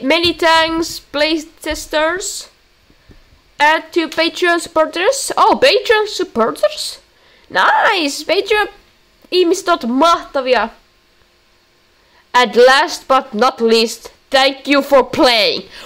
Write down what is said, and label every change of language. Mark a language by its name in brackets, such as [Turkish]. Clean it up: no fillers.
[English] Many thanks, playtesters. Add to Patreon supporters. Oh, Patreon supporters? Nice! [Finnish] Patreon ihmiset ovat mahtavia! [English] And last but not least, thank you for playing!